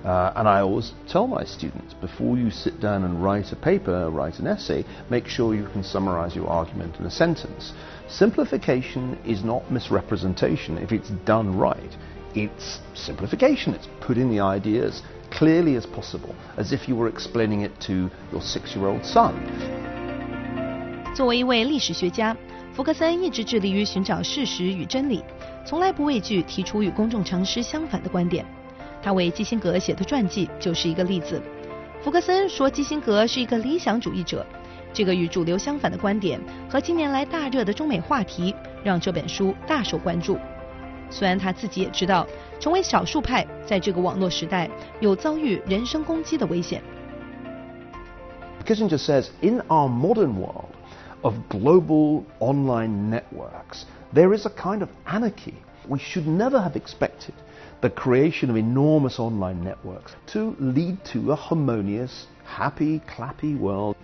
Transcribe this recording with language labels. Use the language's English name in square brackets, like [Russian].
[English] And I always tell my students, before you sit down and write a paper, write an essay, make sure you can summarize your argument in a sentence. Simplification is not misrepresentation. If it's done right, it's simplification. It's putting the ideas clearly as possible, as if you were explaining it to your six-year-old son. [Chinese] 作为一位历史学家，福格森一直致力于寻找事实与真理，从来不畏惧提出与公众常识相反的观点。他为基辛格写的传记就是一个例子。福格森说基辛格是一个理想主义者，这个与主流相反的观点和近年来大热的中美话题让这本书大受关注。虽然他自己也知道成为少数派在这个网络时代有遭遇人身攻击的危险。 [English] Kissinger says, in our modern world of global online networks, there is a kind of anarchy. We should never have expected the creation of enormous online networks to lead to a harmonious, happy, clappy world.